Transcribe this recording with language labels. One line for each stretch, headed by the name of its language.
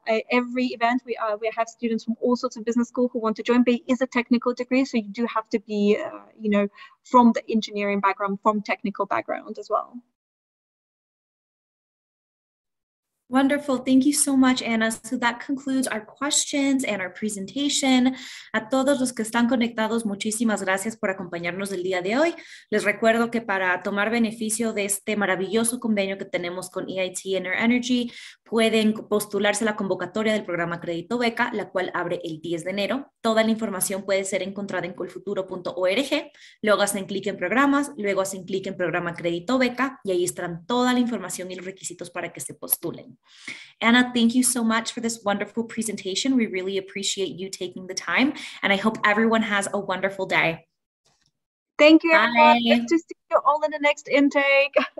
English: Every event we have students from all sorts of business schools who want to join, but it is a technical degree. So you do have to be, from the engineering background, from technical background as well. Wonderful. Thank you so much, Anna. So that concludes our questions and our presentation.
Spanish: A todos los que están conectados, muchísimas gracias por acompañarnos el día de hoy. Les recuerdo que para tomar beneficio de este maravilloso convenio que tenemos con EIT InnoEnergy, pueden postularse a la convocatoria del programa Crédito Beca, la cual abre el 10 de enero. Toda la información puede ser encontrada en colfuturo.org. Luego hacen clic en programas, luego hacen clic en programa Crédito Beca y ahí estarán toda la información y los requisitos para que se postulen.
English: Anna, thank you so much for this wonderful presentation. We really appreciate you taking the time, and I hope everyone has a wonderful day. Thank you, everyone. Good to see you all in the next intake.